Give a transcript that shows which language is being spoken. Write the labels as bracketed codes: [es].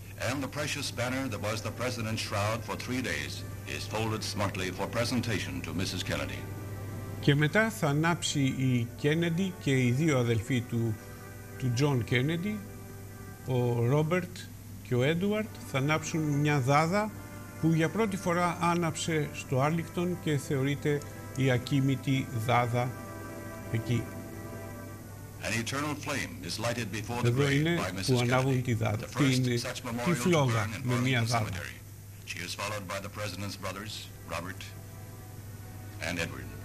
[en] And the precious banner that was the president's shroud for three days is folded smartly for presentation to Mrs. Kennedy. [el] Και μετά θα ανάψει η Kennedy και οι δύο αδελφοί του John Kennedy, ο Robert και ο Edward, θα ανάψουν μια δάδα που για πρώτη φορά άναψε στο Arlington και θεωρείται η ακίμητη δάδα εκεί. [en] An eternal flame is lighted before the grave by Mrs. Kennedy. The first such memorial to burn in Arlington Cemetery. She is followed by the president's brothers, Robert and Edward.